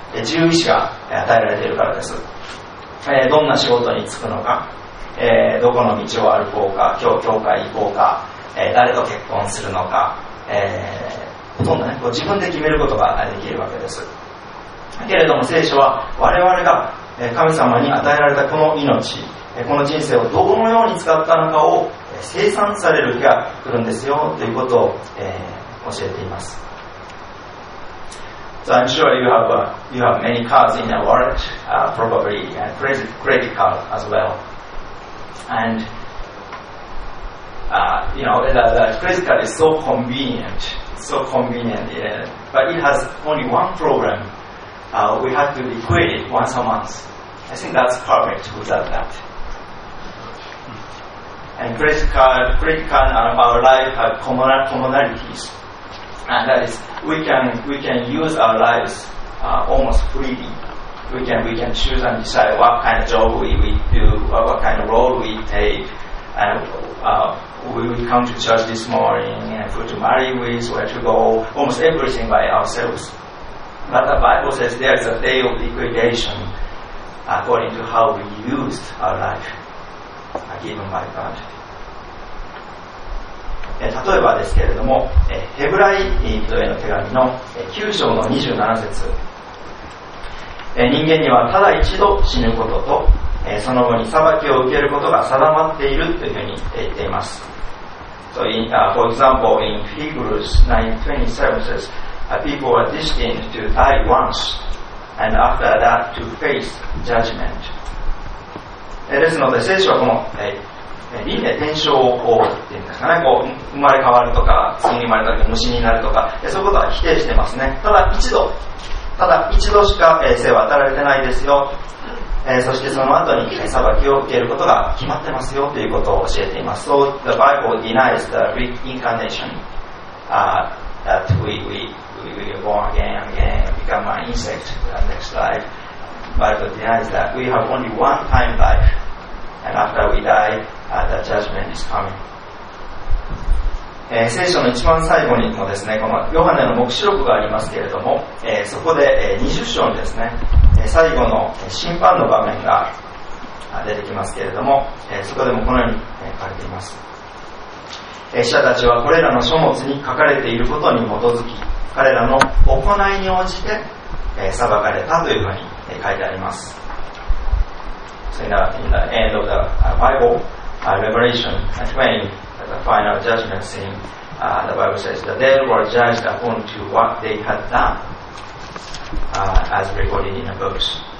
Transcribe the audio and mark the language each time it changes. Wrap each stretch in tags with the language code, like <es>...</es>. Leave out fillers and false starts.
<ja>自由意志が与えられているからです。どんな仕事に就くのか、どこの道を歩こうか、今日教会行こうか、誰と結婚するのか、ほとんど、ね、こう自分で決めることができるわけです。けれども聖書は我々が神様に与えられたこの命、この人生をどのように使ったのかを清算される日が来るんですよということを教えています。</ja> <en>So I'm sure you have many cards in your wallet, probably a credit card as well. And the credit card is so convenient, yeah, but it has only one problem. We have to liquid it once a monthI think that's perfect without that. And credit card and our life have commonalities. And that is, we can use our lives almost freely. We can choose and decide what kind of job we do, what kind of role we take, and we will come to church this morning, and who to marry with, where to go, almost everything by ourselves. But the Bible says there is a day of liquidation. According to how we used our life given by God.</en> <ja>例えばですけれども、ヘブライ人への手紙の9章の27節、人間にはただ一度死ぬことと、その後に裁きを受けることが定まっているというふうに言っています。</ja> <en>So in, for example, in Hebrews 9:27 says, people are destined to die onceAnd after that, to face judgment.</en> <ja>ですので聖書はこの輪廻転生をこうっていうんですかね、こう生まれ変わるとか次に生まれた時に虫になるとか、そういうことは否定してますね。ただ一度しか生は与えられてないですよ。そしてその後に裁きを受けることが決まってますよということを教えています。 So</ja> <en>the Bible denies the reincarnation that we are born again and again. Become an insect in the next life. Bible denies that we have only one time life, and after we die, the judgment is coming.</en> <ja>聖書の一番最後にもですね、このヨハネの黙示録がありますけれども、そこで20章にですね、最後の審判の場面が出てきますけれども、そこでもこのように書いています。死者たちはこれらの書物に書かれていることに基づき。彼らの行いに応じて裁かれたというふうに書いてあります。</ja> <en>So in the end of the Bible, Revelation 20, the final judgment scene, the Bible says the dead were judged according to what they had done, as recorded in the books.</en>